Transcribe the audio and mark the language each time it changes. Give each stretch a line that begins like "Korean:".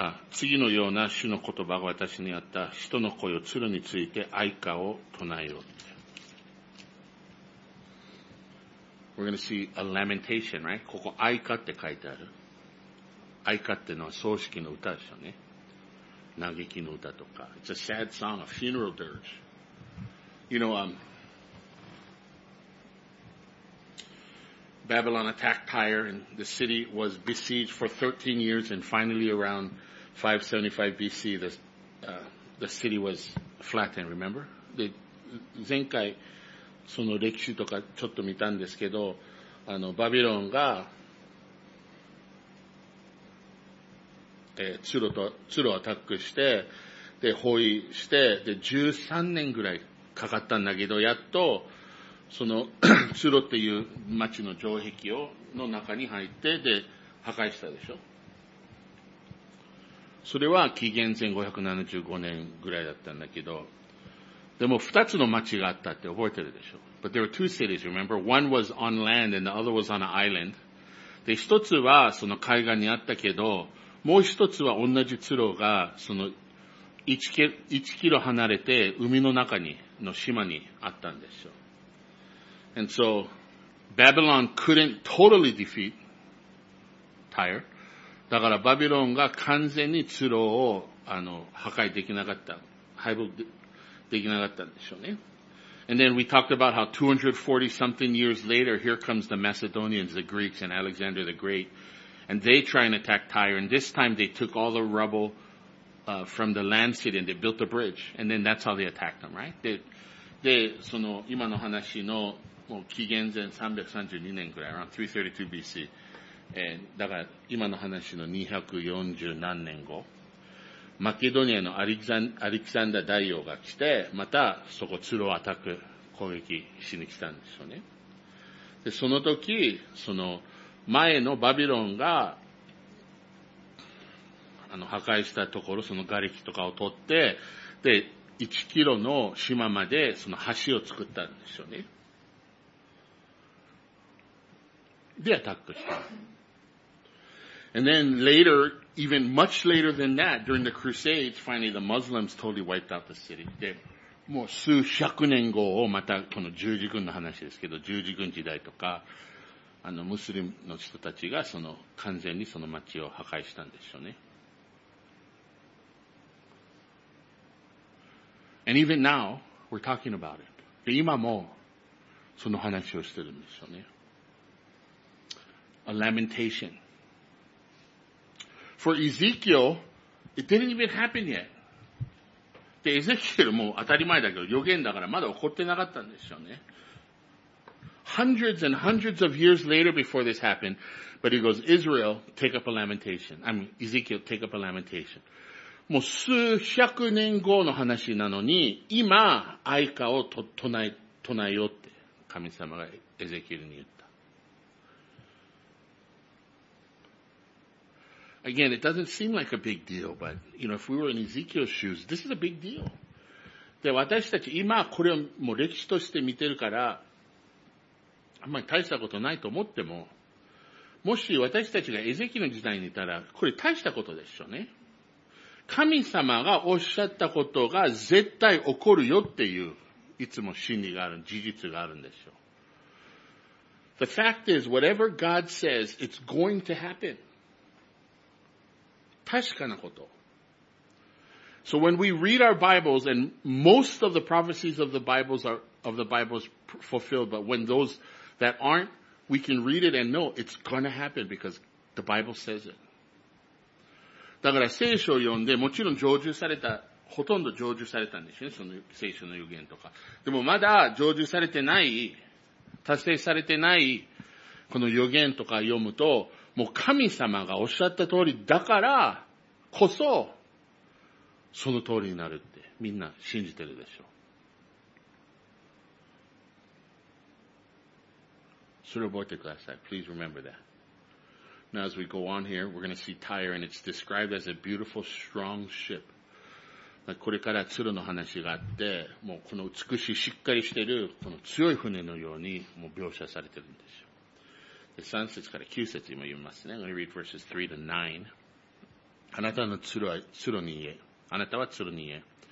Japanese: 次のような主の言葉が私にあった。人の声を鶴について哀歌を唱えよう。
English: We're going to see a lamentation, right?
Japanese: ここ哀歌って書いてある。哀歌ってのは葬式の歌でしょうね。嘆きの歌とか。
English: It's a sad song, a funeral dirge. You know, Babylon attacked Tyre and the city was besieged for 13 years and finally around 575 BC the city was flattened, remember?
Japanese: で、前回その歴史とかちょっと見たんですけど、バビロンが、ツロアタックして、で、包囲して、で、13年ぐらいかかったんだけど、やっと、その、ツロっていう町の城壁を、の中に入って、で、破壊したでしょ。それは紀元前575年ぐらいだったんだけど、でも二つの町があったって覚えてるでしょ。
English: But there were two cities, remember? One was on land and the other was on an island.
Japanese: で、一つはその海岸にあったけど、もう一つは同じツロが、その1キロ離れて海の中に、の島にあったんでしょ。
English: And so, Babylon couldn't totally defeat Tyre.
Japanese: だからバビロンが完全にツロを破壊できなかった、敗北できなかったんでしょうね。
English: And then we talked about how 240 something years later, here comes the Macedonians, the Greeks, and Alexander the Great. And they try and attack Tyre. And this time they took all the rubble, from the land city and they built a bridge. And then that's how they attacked them, right?
Japanese: で、その今の話のもう紀元前332年くらい、
English: around 332 BC。
Japanese: だから今の話の240何年後、マケドニアのアレキサンダ大王が来て、またそこツロをアタック攻撃しに来たんですよね。で、その時、その前のバビロンが、破壊したところ、その瓦礫とかを取って、で、1キロの島までその橋を作ったんですよね。で、アタックした。
English: And then later, even much later than that, during the Crusades, finally the Muslims totally wiped out the city.
Japanese: で、もう数百年後をまたこの十字軍の話ですけど、十字軍時代とか、ムスリムの人たちがその完全にその町を破壊したんですよね。
English: And even now, we're talking about it.
Japanese: で、今もその話をしてるんですよね。
English: A lamentation. For Ezekiel, it didn't even happen yet.
Japanese: で、エゼキエルも当たり前だけど、予言だからまだ起こってなかったんですよね。
English: Hundreds and hundreds of years later before this happened, but he goes, Israel, take up a lamentation. I mean, Ezekiel, take up a lamentation.
Japanese: もう数百年後の話なのに、今、愛歌を唱えようって、神様がエゼキエルに言った。
English: Again, it doesn't seem like a big deal, but, you know, if we were in Ezekiel's shoes, this is a big deal.
Japanese: で、私たち今、これをもう歴史として見てるから、あんまり大したことないと思っても、もし私たちがエゼキエルの時代にいたら、これ大したことでしょうね。神様がおっしゃったことが絶対起こるよっていう、いつも真理がある、事実があるんですよ。
English: The fact is, whatever God says, it's going to happen.
Japanese: 確かなこと。
English: So when we read our Bibles, and most of the prophecies of the Bibles are, of the Bibles fulfilled, but when those that aren't, we can read it and know it's going to happen because the Bible says it.
Japanese: だから聖書を読んで、もちろん成就された、ほとんど成就されたんですよね、その聖書の予言とか。でもまだ成就されてない、達成されてない、この予言とか読むと、もう神様がおっしゃった通りだから、こそ、その通りになるって、みんな信じてるでしょう。それを覚えてください。
English: Please remember that. Now as we go on here, we're going to see Tyre and it's described as a beautiful, strong ship.
Japanese: これから鶴の話があって、もうこの美しい、しっかりしてる、この強い船のようにもう描写されてるんですよ。で、3節から9節にも言いますね。
English: I'm going to read verses 3 to 9.
Japanese: あなたの鶴は鶴に家。あなたは鶴に家。